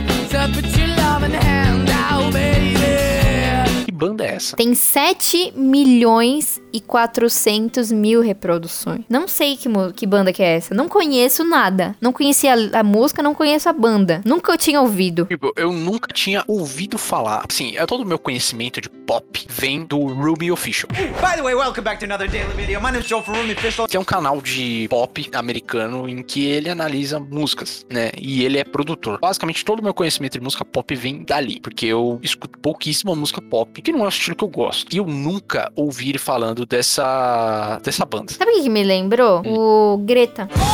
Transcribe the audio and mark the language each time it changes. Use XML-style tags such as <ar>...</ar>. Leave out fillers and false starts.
<en>to put your loving hand out, baby.</en> <pt>Banda é essa? Tem 7 milhões e 400 mil reproduções. Não sei que banda que é essa. Não conheço nada. Não conheci a música, não conheço a banda. Nunca eu tinha ouvido. Tipo, eu nunca tinha ouvido falar. Assim, todo o meu conhecimento de pop vem do Ruby Official.</pt> <en>By the way, welcome back to another daily video. My name is Joe from Ruby Official.</en> <pt>Que é um canal de pop americano em que ele analisa músicas, né? E ele é produtor. Basicamente, todo o meu conhecimento de música pop vem dali. Porque eu escuto pouquíssima música pop. Que não é o estilo que eu gosto. E eu nunca ouvi ele falando dessa banda. Sabe o que me lembrou? O Greta.</pt>